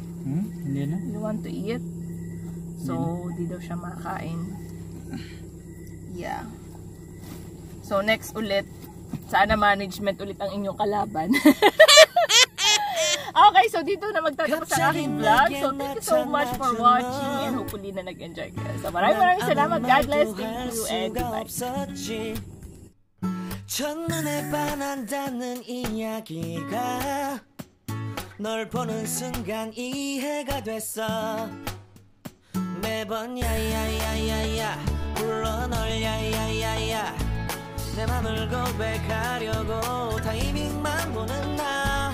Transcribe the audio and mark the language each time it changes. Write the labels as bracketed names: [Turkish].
[Filipino] Hindi na. [English] You want to eat? So, [Filipino] di daw siya makain. [English] Yeah. So, next ulit. [Filipino] Sana management ulit ang inyong kalaban. Okay, so dito na magtatapos ang aking vlog. [English] So thank you so much for watching and hopefully [Filipino] na nag-enjoy kayo. [English] So [Filipino] maraming salamat. [English] God bless. Thank you and goodbye. [Korean] 첫눈에 반한다는 이야기가 널 보는 순간 이해가 됐어. 매번 야야야야야 불러 널 야야야야 내 맘을 고백하려고 타이밍만 보는 나.